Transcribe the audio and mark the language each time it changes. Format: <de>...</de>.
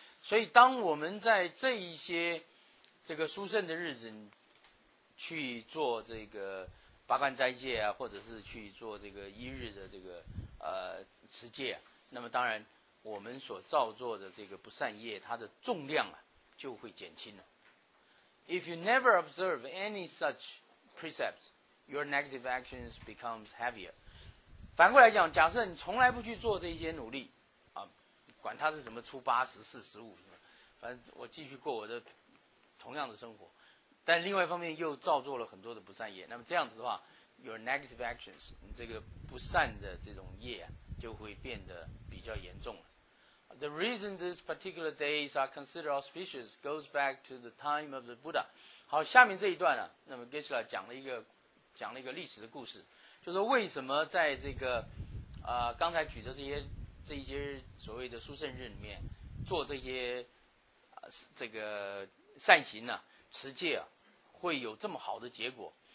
<zh>所以当我们在这一些这个殊胜的日子去做这个八关斋戒啊，或者是去做这个一日的这个持戒啊，那么当然我们所造作的这个不善业它的重量啊就会减轻了。</zh> <en>If you never observe any such precepts, your negative actions becomes heavier.</en> <zh>反过来讲，假设你从来不去做这些努力啊，管它是什么初八十四十五，反正我继续过我的同样的生活，但另外一方面又造作了很多的不善业，那么这样子的话</zh> <en>your negative actions</en> <zh>你这个不善的这种业、啊、就会变得比较严重了。</zh> <en>The reason these particular days are considered auspicious goes back to the time of the Buddha.</en> <zh>好，下面这一段、啊、那么 Geshe-la 讲了一个历史的故事，就是说为什么在这个刚才举的这些所谓的殊胜日里面做这些、这个善行啊持戒啊会有这么好的结果。</zh>